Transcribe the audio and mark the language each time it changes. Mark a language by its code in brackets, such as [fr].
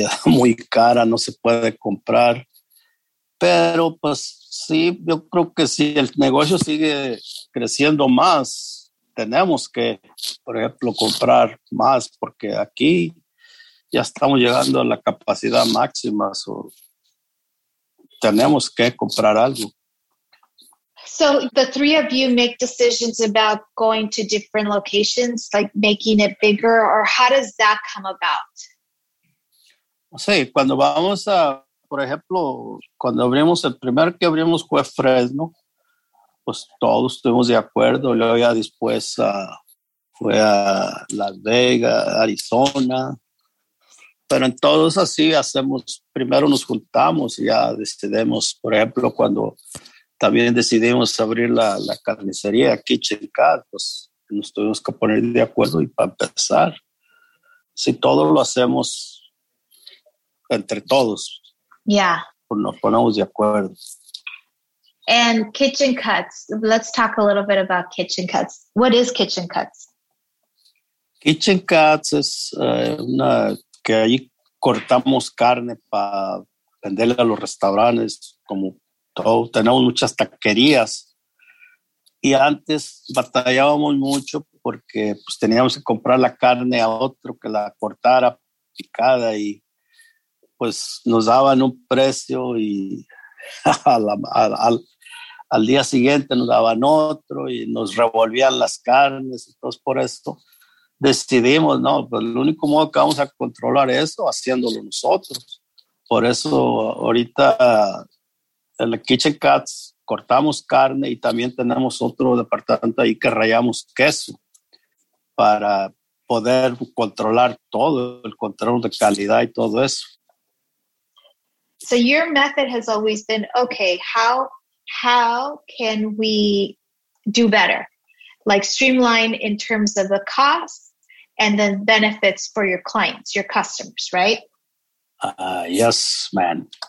[es] Muy cara, no se puede comprar, pero pues sí, yo creo que si el negocio sigue creciendo más, tenemos que, por ejemplo, comprar más, porque aquí ya estamos llegando a la capacidad máxima, so tenemos que comprar algo. [en] So the three of you make decisions about going to different locations, like making it bigger, or how does that come about? [es] Sí, cuando vamos a, por ejemplo, cuando abrimos, el primer que abrimos fue Fresno, pues todos estuvimos de acuerdo. Luego ya después fue a Las Vegas, Arizona. Pero en todos así hacemos, primero nos juntamos y ya decidimos, por ejemplo, cuando también decidimos abrir la carnicería Kitchen Cat, pues nos tuvimos que poner de acuerdo y para empezar. Sí, todo lo hacemos entre todos. [en] Yeah. [es] Nos ponemos de acuerdo. [en] And Kitchen Cuts. Let's talk a little bit about Kitchen Cuts. What is Kitchen Cuts? [es] Kitchen Cuts es una que ahí cortamos carne para venderle a los restaurantes, como todo. Tenemos muchas taquerías. Y antes batallábamos mucho porque pues teníamos que comprar la carne a otro que la cortara picada y pues nos daban un precio y al día siguiente nos daban otro y nos revolvían las carnes. Entonces por esto decidimos, no, pues el único modo que vamos a controlar eso haciéndolo nosotros. Por eso ahorita en la Kitchen Cats cortamos carne y también tenemos otro departamento ahí que rayamos queso para poder controlar todo, el control de calidad y todo eso. [en] So your method has always been, okay, how can we do better? Like streamline in terms of the costs and then benefits for your clients, your customers, right? Yes, man.